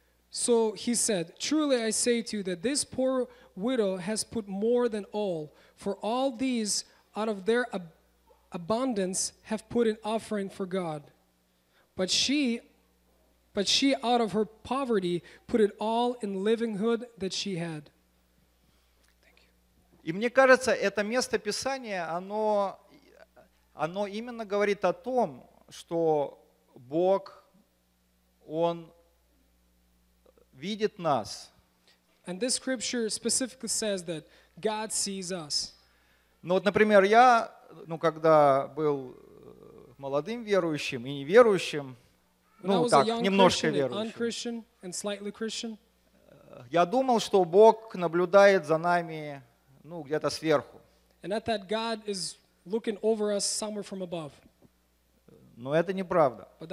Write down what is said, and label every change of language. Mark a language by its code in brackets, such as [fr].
[en] So he said, truly I say to you that this poor widow has put more than all. For all these out of their abundance have put an offering for God. But she out of her poverty put it all in living hood that she had. Thank you. [ru] И мне кажется, это место Писания, оно именно говорит о том, что Бог, Он видит нас. [en] And this scripture specifically says that God sees us. [ru] Ну вот, например, я, ну когда был молодым верующим и неверующим, ну так, немножко верующим, я думал, что Бог наблюдает за нами, ну, где-то сверху. Но это неправда.